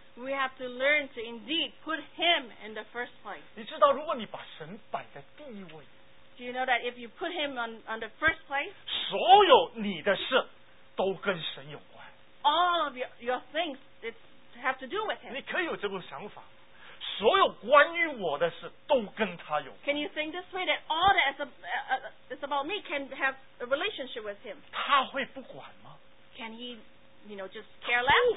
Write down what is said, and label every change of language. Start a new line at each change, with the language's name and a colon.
English: We have to learn to indeed put him in the first place.
Chinese: 你知道如果你把神摆在第一位,
English: Do you know that if you put him on the first place,
Chinese: 所有你的事都跟神有关,
English: all of your things have to do with him.
Chinese: 你可以有这种想法, 所有关于我的事都跟他有关。
English: Can you think this way that all that is about me can have a relationship with him?
Chinese: 他会不管吗?
English: Can he, you know, just care less?